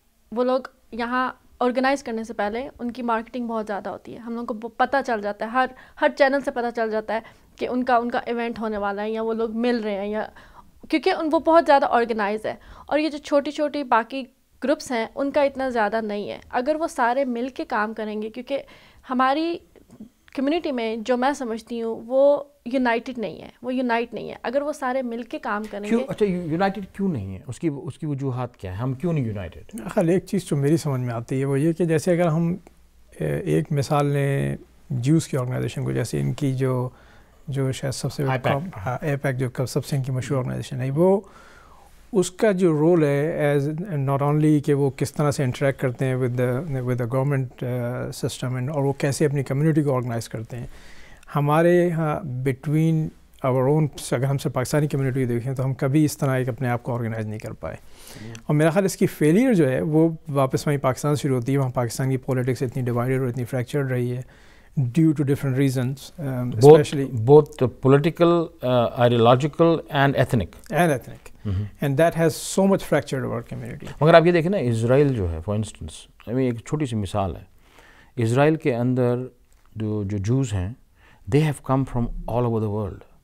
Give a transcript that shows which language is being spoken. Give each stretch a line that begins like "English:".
Urdu: Wo log yahan organize karne se pehle unki marketing bahut zyada hoti hai, hum log ko pata chal jata hai, har channel se pata chal jata hai کہ ان کا event ہونے والا ہے یا وہ لوگ مل رہے ہیں, یا کیونکہ وہ بہت زیادہ آرگنائز ہے. اور یہ جو چھوٹی چھوٹی باقی گروپس ہیں ان کا اتنا زیادہ نہیں ہے. اگر وہ سارے مل کے کام کریں گے, کیونکہ ہماری کمیونٹی میں جو میں سمجھتی ہوں وہ یونائٹڈ نہیں ہے, وہ یونائٹ نہیں ہے. اگر وہ سارے مل کے کام کریں گے. اچھا, یونائٹڈ کیوں نہیں ہے؟ اس کی وجوہات کیا ہیں, ہم کیوں نہیں یونائٹڈ؟ خیر, ایک چیز جو میری سمجھ میں آتی ہے وہ یہ کہ جیسے اگر ہم ایک مثال لیں جیوز کی آرگنائزیشن کو, جیسے ان کی جو شاید سب سے اے پیک جو سب سے ان کی مشہور آرگنائزیشن ہے, وہ اس کا جو رول ہے
English: is not only
Urdu: کہ وہ کس طرح سے انٹریکٹ کرتے ہیں
English: with the government system and
Urdu: اور وہ کیسے اپنی کمیونٹی کو آرگنائز کرتے ہیں. ہمارے یہاں
English: between our own,
Urdu: اگر ہم سے پاکستانی کمیونٹی دیکھیں تو ہم کبھی اس طرح ایک اپنے آپ کو آرگنائز نہیں کر پائے. اور میرا خیال اس کی فیلئر جو ہے وہ واپس وہیں پاکستان سے شروع ہوتی ہے. وہاں پاکستان کی پولیٹکس اتنی ڈیوائڈیڈ اور اتنی فریکچرڈ رہی ہے
English: due to different reasons, especially both political, ideological and ethnic mm-hmm. and that has so much fractured our community.
Urdu: Magar aap ye dekhe na, Israel jo hai,
English: for instance, I mean
Urdu: ek choti si misal hai, Israel ke andar jo Jews hain,
English: they have come from all over the world.